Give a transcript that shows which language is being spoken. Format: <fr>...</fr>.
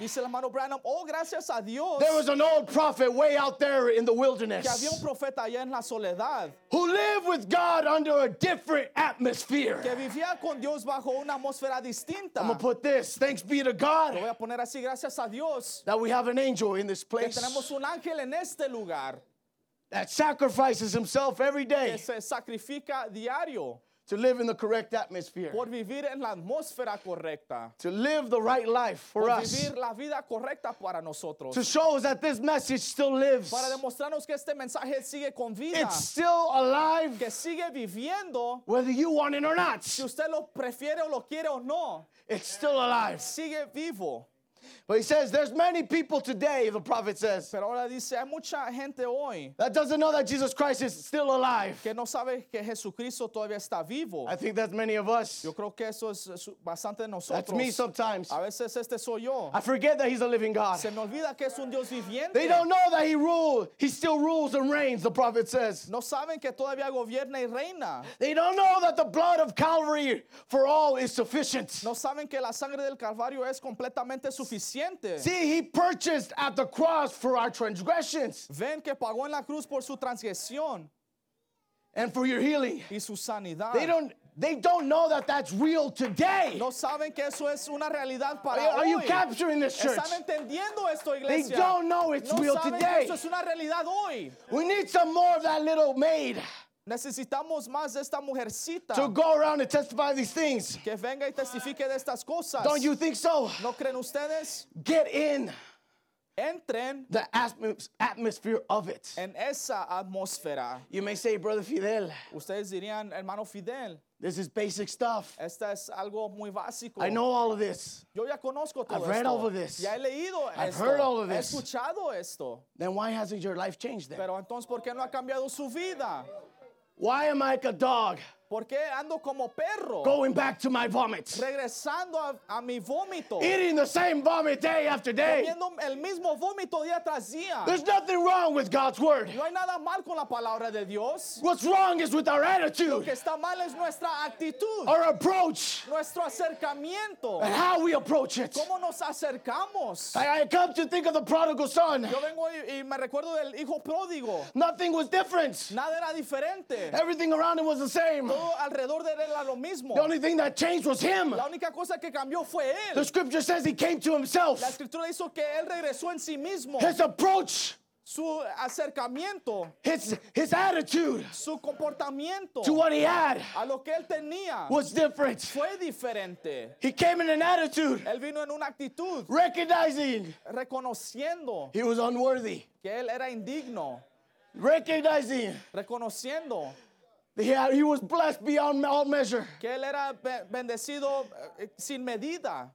<es>Dice el hermano Branham, oh, gracias a Dios.</es> <en>There was an old prophet way out there in the wilderness.</en> <es>Que había un profeta allá en la soledad.</es> <en>Who lived with God under a different atmosphere.</en> <es>Que vivía con Dios bajo una atmósfera distinta.</es> <en>Put this, thanks be to God,</en> <es>voy a poner así, gracias a Dios,</es> <en>that we have an angel in this place,</en> <es>que tenemos un ángel en este lugar,</es> <en>that sacrifices himself every day,</en> <es>que se sacrifica diario,</es> <en>to live in the correct atmosphere,</en> <es>por vivir en la atmósfera correcta,</es> <en>to live the right life for</en> <es>por vivir</es> <en>us,</en> <es>la vida correcta para nosotros,</es> <en>to show us that this message still lives,</en> <es>para demostrarnos que este mensaje sigue con vida,</es> <en>it's still alive,</en> <es>que sigue viviendo,</es> <en>whether you want it or not,</en> <es>si usted lo prefiere o lo quiere o no.</es> <en>It's still alive.</en> <es>Sigue vivo.</es> <en>But he says, there's many people today, the prophet says.</en> <es>Pero ahora dice, hay mucha gente hoy.</es> <en>That doesn't know that Jesus Christ is still alive.</en> <es>Que no sabe que Jesucristo todavía está vivo.</es> <en>I think that's many of us.</en> <es>Yo creo que eso es bastante de nosotros.</es> <en>That's me sometimes.</en> <es>A veces este soy yo.</es> <en>I forget that he's a living God.</en> <es>Se me olvida que es un Dios viviente.</es> <en>They don't know that he rules. He still rules and reigns, the prophet says.</en> <es>No saben que todavía gobierna y reina.</es> <en>They don't know that the blood of Calvary for all is sufficient.</en> <es>No saben que la sangre del Calvario es completamente suficiente.</es> <en>See, he purchased at the cross for our transgressions.</en> <es>Ven que pagó en la cruz por su transgresión.</es> <en>And for your healing.</en> <es>Y su sanidad.</es> <en>They don't know that that's real today.</en> <es>No saben que eso es una realidad para hoy.</es> <en>Are you capturing this church?</en> <es>¿Están entendiendo esto, iglesia?</es> <en>They don't know it's</en> <es>no</es> <en>real</en> <es>saben</es> <en>today.</en> <es>Que eso es una realidad hoy.</es> <en>We need some more of that little maid.</en> <es>Necesitamos más de esta mujercita.</es> <en>To go around and testify these things.</en> <es>Que venga y testifique de estas cosas.</es> <en>Don't you think so?</en> <es>¿No creen ustedes?</es> <en>Get in.</en> <es>Entren.</es> <en>The atmosphere of it.</en> <es>En esa atmósfera.</es> <en>You may say, Brother Fidel.</en> <es>Ustedes dirían, hermano Fidel.</es> <en>This is basic stuff.</en> <es>Esta es algo muy básico.</es> <en>I know all of this.</en> <es>Yo ya conozco todo esto.</es> <en>I've read all of this.</en> <es>Ya he leído</es> <en>I've</en> <es>esto.</es> <en>Heard all of this.</en> <es>He escuchado esto.</es> <en>Then why hasn't your life changed then?</en> <es>Pero entonces, ¿por qué no ha cambiado su vida?</es> <en>Why am I like a dog?</en> <es>¿Por qué ando como perro?</es> <en>Going back to my vomit.</en> <es>Regresando a mi vómito.</es> <en>Eating the same vomit day after day.</en> <es>Comiendo el mismo vómito día tras día.</es> <en>There's nothing wrong with God's word.</en> <es>No hay nada mal con la palabra de Dios.</es> <en>What's wrong is with our attitude.</en> <es>Lo que está mal es nuestra actitud.</es> <en>Our approach.</en> <es>Nuestro acercamiento.</es> <en>And how we approach it.</en> <es>¿Cómo nos acercamos?</es> <en>I come to think of the prodigal son.</en> <es>Yo vengo y me recuerdo del hijo pródigo.</es> <en>Nothing was different.</en> <es>Nada era diferente.</es> <en>Everything around him was the same. The only thing that changed was him.</en> <es>La única cosa que cambió fue él.</es> <en>The scripture says he came to himself.</en> <es>La escritura hizo que él regresó en sí mismo.</es> <en>His approach.</en> <es>Su acercamiento.</es> <en>His attitude.</en> <es>Su comportamiento.</es> <en>To what he had.</en> <es>A lo que él tenía.</es> <en>Was different.</en> <es>Fue diferente.</es> <en>He came in an attitude.</en> <es>Él vino en una actitud.</es> <en>Recognizing.</en> <es>Reconociendo.</es> <en>He was unworthy.</en> <es>Que él era indigno.</es> <en>Recognizing.</en> <es>Reconociendo.</es> <en>He was blessed beyond all measure.</en> <es>Que él era bendecido sin medida.</es>